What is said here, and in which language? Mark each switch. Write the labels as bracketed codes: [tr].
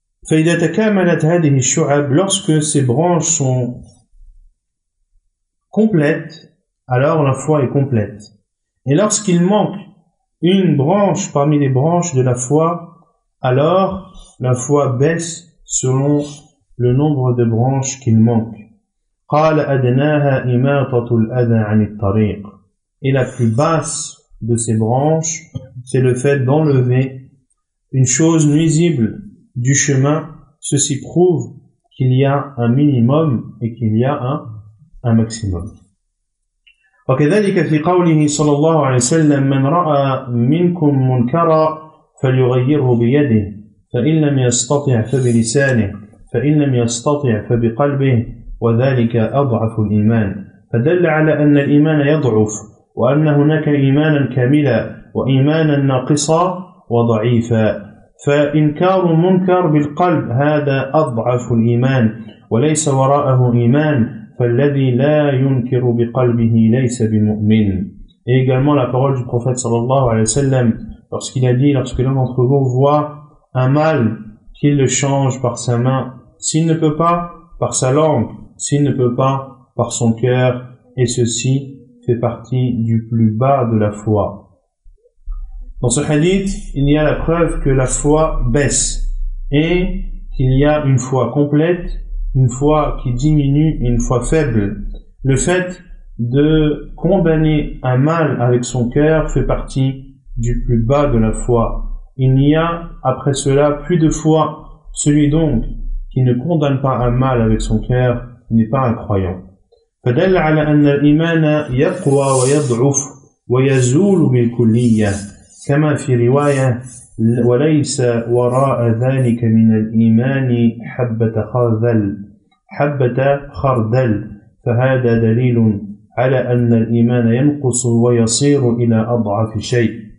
[ar] فإذا تكاملت هذه الشعب [fr] lorsque ces branches sont complètes, alors la foi est complète. Et lorsqu'il manque une branche parmi les branches de la foi, alors la foi baisse selon le nombre de branches qu'il manque. [ar] قال أدناها إماطة الأذى عن الطريق. [fr] Et la plus basse de ces branches, c'est le fait d'enlever une chose nuisible du chemin. Ceci prouve qu'il y a un minimum et qu'il y a un maximum. [ar] وكذلك في قوله صلى الله عليه وسلم من رأى منكم منكرا فليغيره بيده فإن لم يستطع فبلسانه فإن لم يستطع فبقلبه وذلك أضعف الإيمان. فدل على أن الإيمان يضعف وأن هناك إيمانا كاملا وإيمانا ناقصا وضعيفا. فإنكار منكر بالقلب هذا أضعف الإيمان وليس وراءه إيمان فالذي لا ينكر بقلبه ليس بمؤمن. [fr] Et également la parole du prophète sallallahu alayhi wa sallam lorsqu'il a dit, lorsque l'un d'entre vous voit un mal, qu'il le change par sa main, s'il ne peut pas par sa langue, s'il ne peut pas par son cœur, et ceci fait partie du plus bas de la foi. Dans ce hadith, il y a la preuve que la foi baisse et qu'il y a une foi complète, une foi qui diminue, une foi faible. Le fait de condamner un mal avec son cœur fait partie du plus bas de la foi. Il n'y a après cela plus de foi. Celui donc qui ne condamne pas un mal avec son cœur n'est pas un croyant. [ar] فدل على أن الإيمان يقوى ويضعف ويزول بالكلية كما في رواية وليس وراء ذلك من الإيمان حبة خردل حبة خردل فهذا دليل على أن الإيمان ينقص ويصير إلى أضعف شيء.